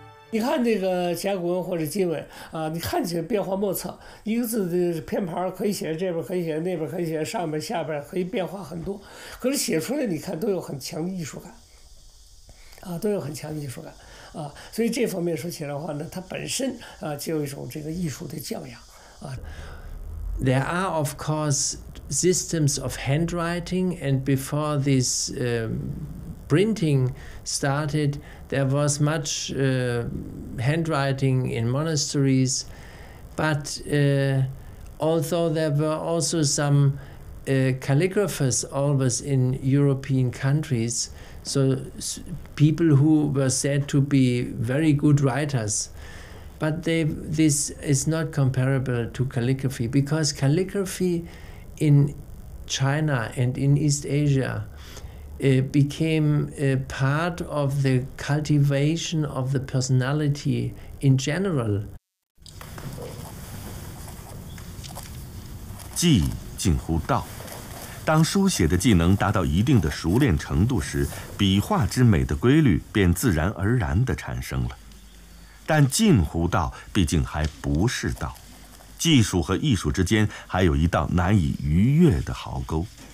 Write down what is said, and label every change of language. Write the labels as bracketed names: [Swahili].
[Chinese] 你看这个甲骨文或者金文啊，你看起来变化莫测，一个字的偏旁可以写这边，可以写那边，可以写上边下边，可以变化很多。可是写出来，你看都有很强的艺术感。啊，都有很强的艺术感啊，所以这方面说起来的话呢，它本身啊就有一种这个艺术的教养啊。 [English] There are of course systems of handwriting, and before this printing started, there was much handwriting in monasteries, but although there were also some calligraphers always in European countries, so people who were said to be very good writers, but this is not comparable to calligraphy, because calligraphy in China and in East Asia became a part of the cultivation of the personality in general. [Chinese] 技近乎道，当书写的技能达到一定的熟练程度时，笔画之美的规律便自然而然地产生了。但近乎道毕竟还不是道，技术和艺术之间还有一道难以逾越的壕沟。